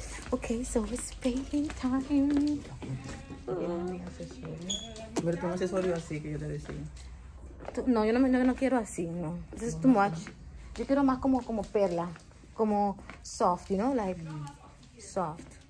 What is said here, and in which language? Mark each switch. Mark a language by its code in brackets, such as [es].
[en] Okay, so it's painting time. [es] Pero tengo un accesorio así que yo te decía. No, yo no quiero así, no. [en] This is too much. [es] Yo quiero más como perla. Como [en] soft, you know, like soft.